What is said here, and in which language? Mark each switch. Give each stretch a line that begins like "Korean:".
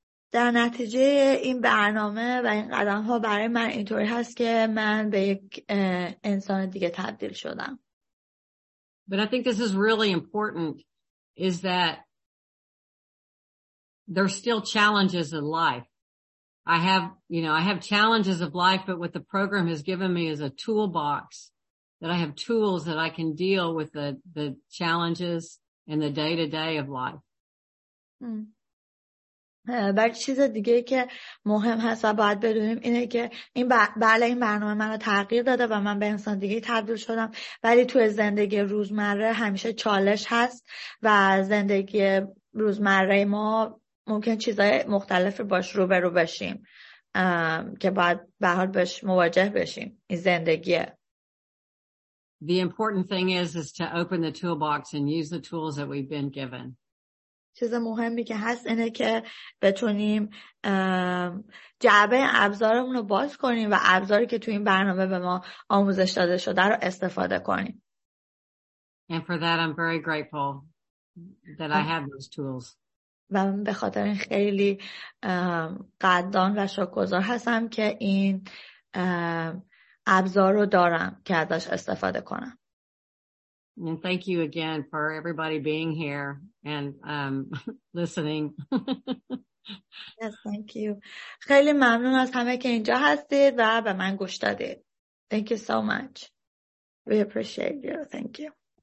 Persian: در نتیجه این برنامه و این قدم ها برای من اینطوری هست که من به یک انسان دیگه تبدیل شدم.
English: But I think this is really important is that there's still challenges in life. I have challenges of life, but what the program has given me is a toolbox that I have tools that I can deal with the challenges in the day to day of life.
Persian: بعد چیز دیگه که مهم هست و باید بدونیم اینه که این برنامه من رو تغییر داده و من به انسان دیگه تبدیل شدم ولی توی زندگی روزمره همیشه چالش هست و زندگی روزمره ما ممکن چیزهای مختلفی باش روبرو بشیم که باید به هر حال بهش مواجه بشیم این زندگیه.
English: The important thing is to open the toolbox and use the tools that we've been given.
Persian: چیز مهمی که هست اینه که بتونیم جعبه ابزارمون رو باز کنیم و ابزاری که تو این برنامه به ما آموزش داده شده رو استفاده کنیم.
English: And for that I'm very grateful that I have those tools.
Persian: و من به خاطر این خیلی قدردان و شکرگزار هستم که این ابزار رو دارم که ازش استفاده کنم.
English: And thank you again for everybody being here and listening. Yes, thank you.
Persian: خیلی ممنون از همه که اینجا هستید و به من گوش دادید.
English: Thank you so much. We appreciate you. Thank you.